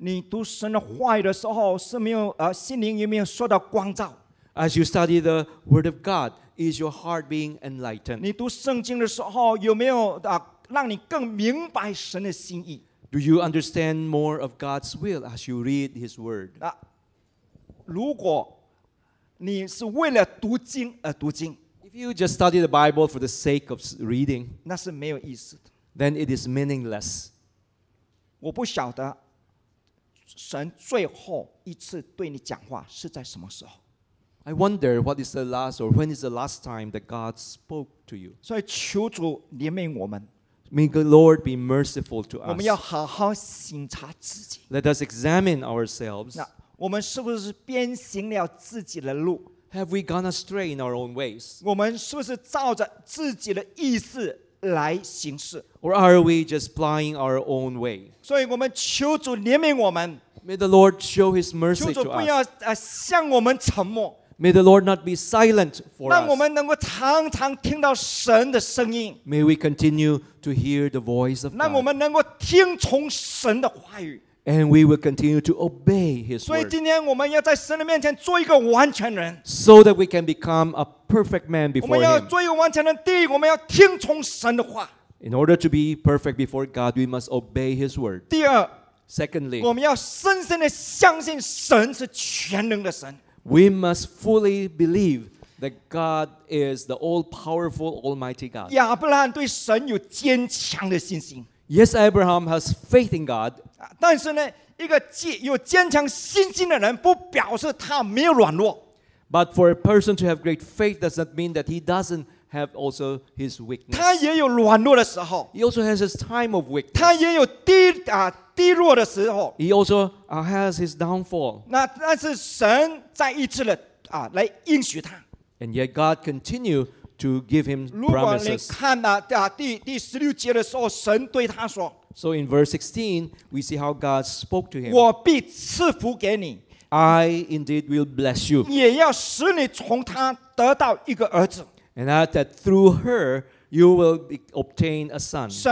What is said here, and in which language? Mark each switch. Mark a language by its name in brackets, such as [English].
[Chinese] 你读神的话语的时候是没有心灵有没有受到光照 [English] As you study the Word of God,Is your heart being enlightened? [Chinese] 你读圣经的时候有没有让你更明白神的心意 [English] Do you understand more of God's will as you read His word? [Chinese] 如果你是为了读经而读经 [English] If you just study the Bible for the sake of reading, [Chinese] 那是没有意思的 [English] Then it is meaningless. [Chinese] 我不晓得神最后一次对你讲话是在什么时候。 [English] I wonder what is the last or when is the last time that God spoke to you. [Chinese] 所以求主怜悯我们。 [English] May the Lord be merciful to us. [Chinese] 我们要好好省察自己。 [English] Let us examine ourselves. [Chinese] 那我们是不是偏行了自己的路 [English] ？Have we gone astray in our own ways? [Chinese] 我们是不是照着自己的意思来行事 [English] ？Or are we just plying our own way? [Chinese] 所以我们求主怜悯我们。 [English] May the Lord show His mercy to us. [Chinese] 求主不要向我们沉默。 [English] May the Lord not be silent for us. [Chinese] 让我们能够常常听到神的声音。 [English] May we continue to hear the voice of God. [Chinese] 让我们能够听从神的话语。 [English] And we will continue to obey His word. [Chinese] 所以今天我们要在神的面前做一个完全人。 [English] So that we can become a perfect man before Him. [Chinese] 我们要做一个完全人，第一，我们要听从神的话。 [English] In order to be perfect before God, we must obey His word. [Chinese] 第二 [English] ，Secondly, [Chinese] 我们要深深的相信神是全能的神。 [English] We must fully believe that God is the all-powerful, almighty God. [Chinese] 亚伯兰对神有坚强的信心。 [English] Yes, Abraham has faith in God. [Chinese] 但是呢，一个有坚强信心的人，不表示他没有软弱。 [English] But for a person to have great faith does not mean that he doesn't have also his weakness. [Chinese] 他也有软弱的时候。 [English] He also has his time of weakness. [Chinese] 他也有低落的时候 [English] ，He also has his downfall. [Chinese] 那但是神再一次的来应许他。 [English] And yet God continued to give him promises. So in verse 16, we see how God spoke to him. I indeed will bless you. And that through her, you will obtain a son.